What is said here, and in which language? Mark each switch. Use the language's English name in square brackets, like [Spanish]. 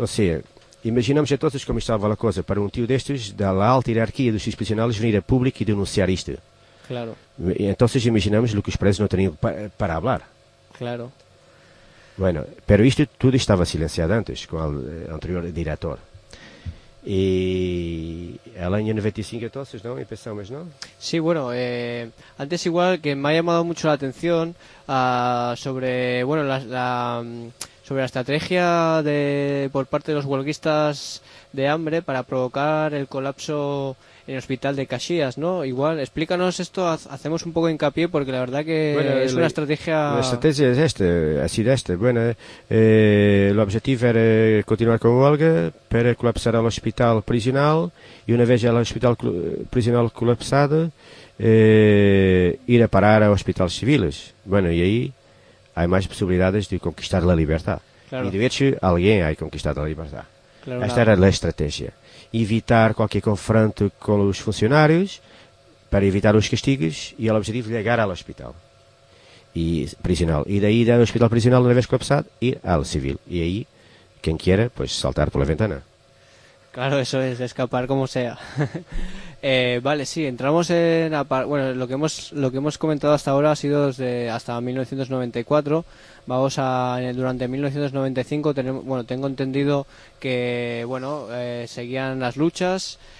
[Portuguese] Ou seja, imaginamos a todos como estava a coisa para um tio destes, da alta hierarquia dos prisioneiros, vir a público e denunciar isto. Claro. Então, imaginamos o que os presos não teriam para falar. Claro. [Spanish] Bueno, pero [Portuguese] isto tudo estava silenciado antes, com o anterior diretor. [Spanish] E el año 95 entonces, ¿no? Empezamos, ¿no? Sí, bueno, antes igual que me ha llamado mucho la atención sobre, bueno, sobre la estrategia de por parte de los huelguistas de hambre para provocar el colapso en el hospital de Caxías, ¿no? Igual, explícanos esto, hacemos un poco de hincapié porque la verdad que bueno, es una estrategia... La estrategia es esta, ha sido esta. Bueno, el objetivo era continuar con huelga para colapsar el hospital prisional y una vez el hospital prisional colapsado, ir a parar a hospitales civiles. Bueno, y ahí hay más posibilidades de conquistar la libertad. Claro. Y de hecho, alguien ha conquistado la libertad. Claro, [Portuguese] esta era a estratégia. Evitar qualquer confronto com os funcionários para evitar os castigos e o objetivo de chegar ao hospital e prisional. E daí, do hospital prisional, uma vez colapsado, ir ao civil. E aí, quem queira, pois saltar pela ventana. [Spanish] Claro, eso es escapar como sea. Vale, sí, entramos en... Bueno, lo que hemos comentado hasta ahora ha sido desde hasta 1994. Vamos a... Durante 1995, tengo entendido que, bueno, seguían las luchas.